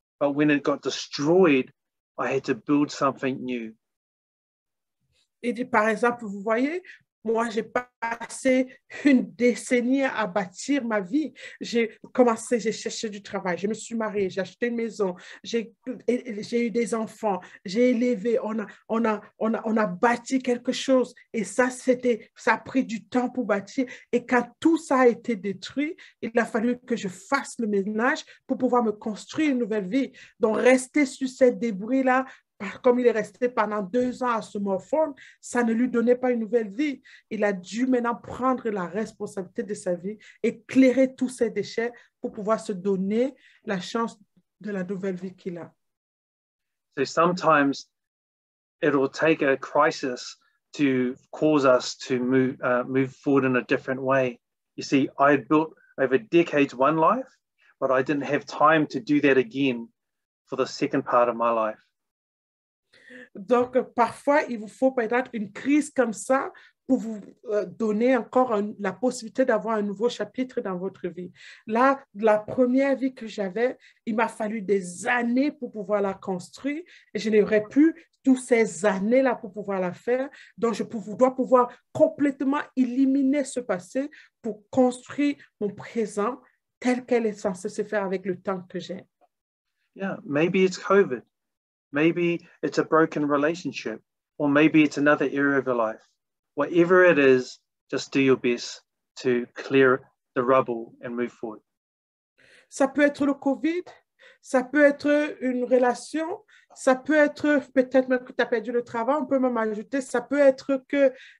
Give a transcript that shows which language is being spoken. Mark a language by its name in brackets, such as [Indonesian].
[English] But when it got destroyed, I had to build something new. [French] Et par exemple, vous voyez, Moi, j'ai passé une décennie à bâtir ma vie. J'ai commencé, j'ai cherché du travail, je me suis mariée, j'ai acheté une maison, j'ai eu des enfants, j'ai élevé, on a bâti quelque chose. Et ça a pris du temps pour bâtir. Et quand tout ça a été détruit, il a fallu que je fasse le ménage pour pouvoir me construire une nouvelle vie. Donc, rester sur ces débris-là, comme il est resté pendant 2 ans à se morfondre, ça ne lui donnait pas une nouvelle vie. Il a dû maintenant prendre la responsabilité de sa vie, éclairer tous ses déchets pour pouvoir se donner la chance de la nouvelle vie qu'il a. [English] So sometimes it will take a crisis to cause us to move forward in a different way. You see, I had built over decades one life, but I didn't have time to do that again for the second part of my life. [French] Donc, parfois, il vous faut peut-être une crise comme ça pour vous donner encore la possibilité d'avoir un nouveau chapitre dans votre vie. Là, la première vie que j'avais, il m'a fallu des années pour pouvoir la construire et je n'aurais plus toutes ces années-là pour pouvoir la faire. Donc, je dois pouvoir complètement éliminer ce passé pour construire mon présent tel qu'elle est censée se faire avec le temps que j'ai. [English] Yeah, maybe it's COVID. Maybe it's a broken relationship, or maybe it's another area of your life. Whatever it is, just do your best to clear the rubble and move forward. [French] Ça peut être le COVID, ça peut être une relation, ça peut être peut-être que tu as perdu le travail, on peut même ajouter, ça peut être que...